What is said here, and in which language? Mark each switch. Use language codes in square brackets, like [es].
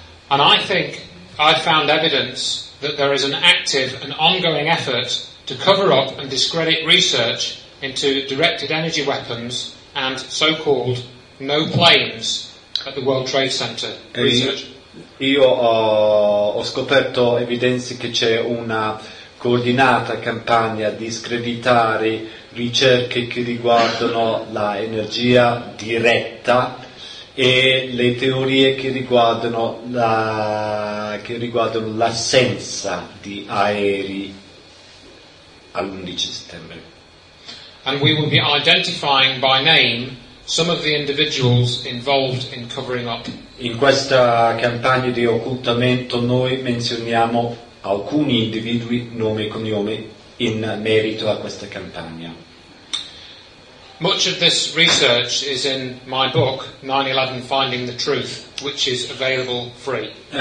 [en] And I think I found evidence that there is an active and ongoing effort to cover up and discredit research into directed energy weapons and so-called no planes at the World Trade Center research. [it] Io ho scoperto evidenze che c'è una coordinata campagna di screditare ricerche che riguardano l'energia diretta e le teorie che riguardano l'assenza di aerei all'11 settembre. [en] And we will be identifying by name some of the individuals involved in covering up. [it] In questa campagna di occultamento noi menzioniamo alcuni individui, nome e cognome, in merito a questa campagna. [en] Much of this research is in my book, 9/11 Finding the Truth, which is available free.